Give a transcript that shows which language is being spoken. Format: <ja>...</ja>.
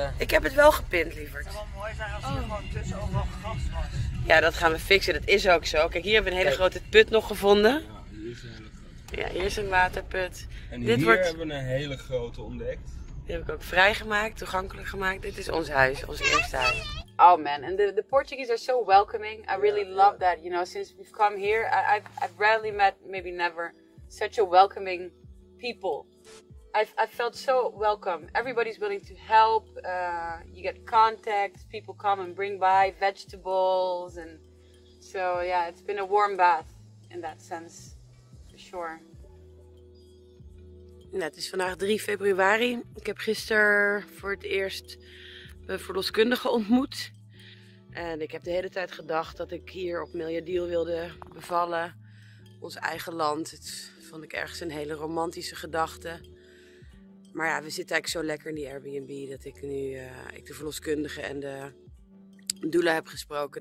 <nl>Ik heb het wel gepint, lieverd. Het zou wel mooi zijn als er gewoon tussen overal gras was. Ja, dat gaan we fixen, dat is ook zo. Kijk, hier hebben we een hele grote put nog gevonden. Ja, hier is een hele grote. Ja, hier is een waterput. En dit hier wordt... hebben we een hele grote ontdekt. Die heb ik ook vrijgemaakt, toegankelijk gemaakt. Dit is ons huis, ons eerste huis.</nl> <en>Oh man, and the Portuguese are so welcoming. I really love that, you know, since we've come here, I've rarely met, maybe never, such a welcoming people. I felt so welcome. Everybody's willing to help. You get contacts, people come and bring by vegetables. And so, yeah, it's been a warm bath in that sense, for sure.</en> <nl>Het is vandaag 3 februari. Ik heb gisteren voor het eerst een verloskundige ontmoet. En ik heb de hele tijd gedacht dat ik hier op Meljadil wilde bevallen. Ons eigen land. Het vond ik ergens een hele romantische gedachte. Maar ja, we zitten eigenlijk zo lekker in die Airbnb dat ik nu ik de verloskundige en de doula heb gesproken.</nl>